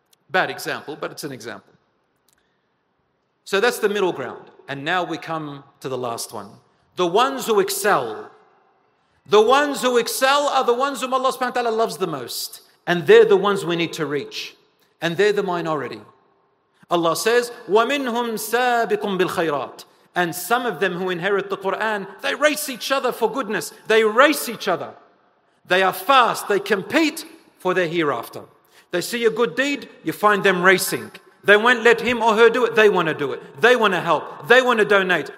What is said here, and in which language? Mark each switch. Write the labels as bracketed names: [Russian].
[English] Bad example, but it's an example. So that's the middle ground. And now we come to the last one. The ones who excel. The ones who excel are the ones whom Allah subhanahu wa ta'ala loves the most. And they're the ones we need to reach. And they're the minority. Allah says, [Arabic] وَمِنْهُمْ سَابِقٌ بِالْخَيْرَاتِ. [English] And some of them who inherit the Qur'an, they race each other for goodness. They race each other. They are fast. They compete for their hereafter. They see a good deed, you find them racing. They won't let him or her do it. They want to do it. They want to help. They want to donate.